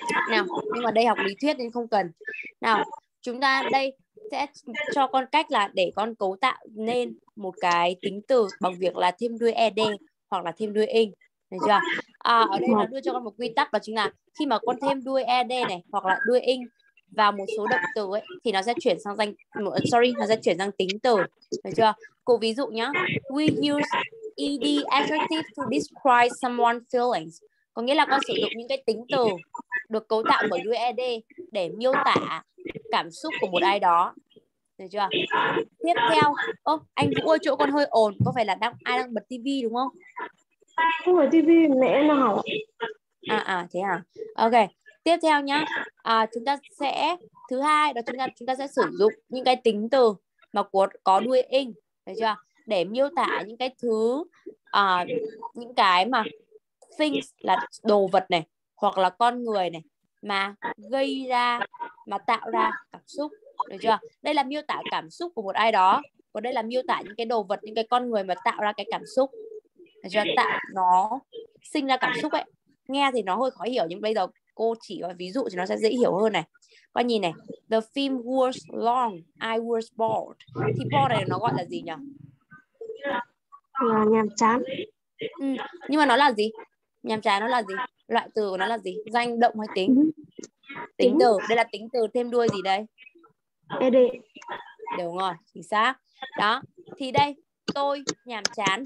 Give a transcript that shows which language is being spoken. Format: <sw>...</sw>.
<vi>Nào, nhưng mà đây học lý thuyết nên không cần. Nào, chúng ta đây sẽ cho con cách là để con cấu tạo nên một cái tính từ bằng việc là thêm đuôi ed hoặc là thêm đuôi ing. Được chưa? À, ở đây nó đưa cho con một quy tắc, đó chính là khi mà con thêm đuôi ed này hoặc là đuôi ing vào một số động từ ấy thì nó sẽ chuyển sang nó sẽ chuyển sang tính từ. Được chưa? Cô ví dụ nhá.</vi> <en>We use ed adjective to describe someone's feelings.</en> <vi>Có nghĩa là con sử dụng những cái tính từ được cấu tạo bởi ed để miêu tả cảm xúc của một ai đó. Được chưa? Tiếp theo, ô, anh Vũ ơi, chỗ con hơi ồn, có phải là đang ai đang bật tivi đúng không? Không bật tivi, mẹ em đang học. À thế à. Ok, tiếp theo nhá. Chúng ta sẽ thứ hai đó chúng ta sẽ sử dụng những cái tính từ mà có đuôi ing, được chưa? Để miêu tả những cái thứ những cái mà things là đồ vật này hoặc là con người này mà gây ra, mà tạo ra cảm xúc, được chưa? Đây là miêu tả cảm xúc của một ai đó, còn đây là miêu tả những cái đồ vật, những cái con người mà tạo ra cái cảm xúc, được chưa? Tạo nó sinh ra cảm xúc ấy. Nghe thì nó hơi khó hiểu nhưng bây giờ cô chỉ ví dụ thì nó sẽ dễ hiểu hơn này. Qua nhìn này,</vi> <en>the film was long, I was bored.</en> <vi>Thì bored này nó gọi là gì nhỉ? Nhàm chán. Ừ. Nhưng mà nó là gì? Nhàm chán nó là gì? Loại từ của nó là gì? Danh, động hay tính? Tính từ. Đây là tính từ thêm đuôi gì đây? Ed. Đúng rồi, chính xác. Đó, thì đây, tôi nhàm chán.</vi>